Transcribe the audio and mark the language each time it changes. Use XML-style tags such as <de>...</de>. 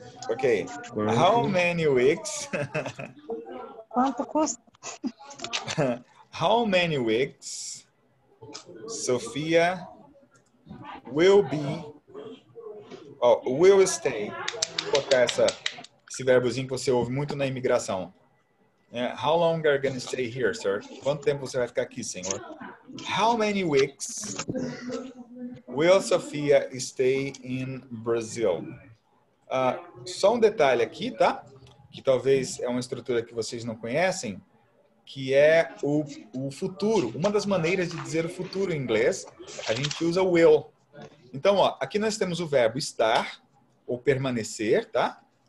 <en>Ok.</en> <pt>Quanto?</pt> <en>How many weeks?</en> <pt>Quanto custa?</pt> <en>How many weeks Sophia will be, will stay?</en> <pt>Colocar esse verbozinho que você ouve muito na imigração.</pt> <en>How long are you going to stay here, sir?</en> <pt>Quanto tempo você vai ficar aqui, senhor?</pt> <en>How many weeks will Sophia stay in Brazil?</en> <pt>Só um detalhe aqui, tá? Que talvez é uma estrutura que vocês não conhecem, que é o futuro. Uma das maneiras de dizer o futuro em inglês, a gente usa will. Então, aqui nós temos o verbo estar ou permanecer, tá?</pt>